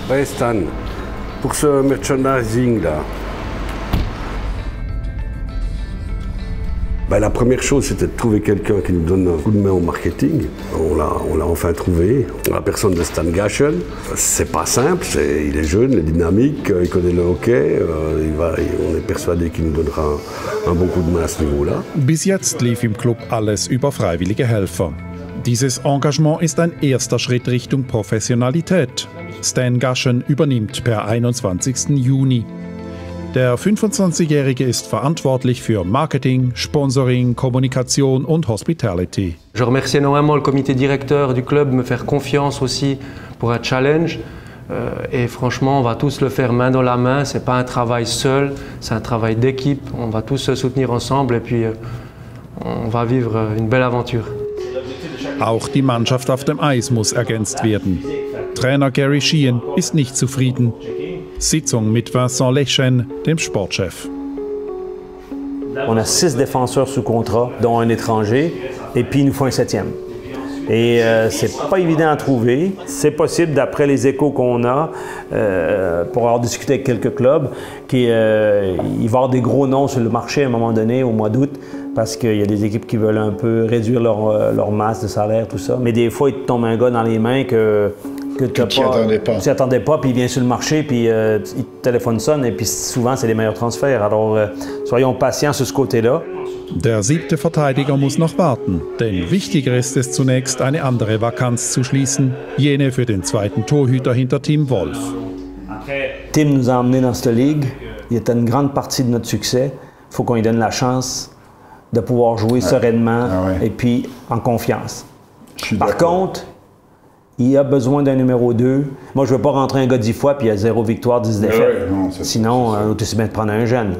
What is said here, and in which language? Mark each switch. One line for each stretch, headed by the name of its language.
French: Hey Stan, pour ce merchandising-là, ben, la première chose, c'était de trouver quelqu'un qui nous donne un coup de main au marketing. On l'a enfin trouvé, la personne de Stan Gashen. C'est pas simple, il est jeune, il est dynamique, il connaît le hockey. On est persuadé qu'il nous donnera un bon coup de main à ce niveau-là.
German: Bis jetzt lief im Club alles über freiwillige Helfer. Dieses Engagement ist ein erster Schritt Richtung Professionalität. Stan Gashen übernimmt per 21. Juni. Der 25-Jährige ist verantwortlich für Marketing, Sponsoring, Kommunikation und Hospitality.
French: Je remercie énormément le comité directeur du club de me faire confiance aussi pour un challenge. Et franchement, on va tous le faire main dans la main. Ce n'est pas un travail seul, c'est un travail d'équipe. On va tous se soutenir ensemble et puis on va vivre une belle aventure.
German: Auch die Mannschaft auf dem Eis muss ergänzt werden. Trainer Gary Sheehan ist nicht zufrieden. Sitzung mit Vincent Lechen, dem Sportchef.
French: On a 6 défenseurs sous contrat, dont un étranger, et puis il nous faut un 7e. Et c'est pas évident à trouver. C'est possible, d'après les échos qu'on a, pour avoir discuté avec quelques clubs, qu'il va y avoir des gros noms sur le marché à un moment donné, au mois d'août, parce qu'il y a des équipes qui veulent un peu réduire leur masse de salaire, tout ça. Mais des fois, il tombe un gars dans les mains que tu n'y attendais pas, puis il vient sur le marché, puis il téléphone sonne, et puis souvent c'est les meilleurs transferts. Alors soyons patients sur ce côté-là.
German: Der siebte Verteidiger muss noch warten, denn wichtiger ist es zunächst, eine andere Vakanz zu schließen, jene für den zweiten Torhüter hinter Team Wolf. Okay.
French: Tim nous a emmenés dans cette ligue. Il était une grande partie de notre succès. Il faut qu'on lui donne la chance de pouvoir jouer sereinement et puis en confiance. Par contre, il a besoin d'un numéro 2. Moi, je ne veux pas rentrer un gars 10 fois puis il y a 0 victoire, 10 défaites. Ouais, non, sinon, on est aussi bien de prendre un jeune.